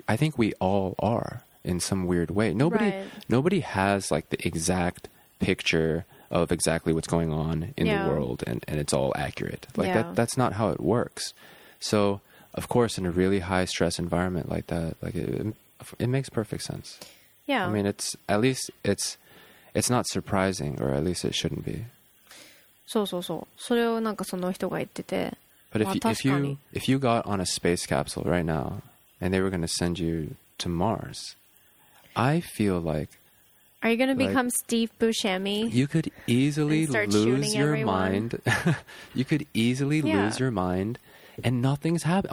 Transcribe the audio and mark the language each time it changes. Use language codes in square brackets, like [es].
[en] I think we all are in some weird way. Nobody has like the exact picture of exactly what's going on in the world and it's all accurate. Like that's not how it works. So of course, in a really high stress environment like that, like it makes perfect sense. Yeah. I mean, it's not surprising, or at least it shouldn't be. [ja] そうそうそう。それをなんかその人が言ってて。 [en] But if you got on a space capsule right now and they were going to send you to Mars, I feel like, are you going to become Steve Buscemi? You could easily lose your mind. You could easily lose your mind and nothing's happened.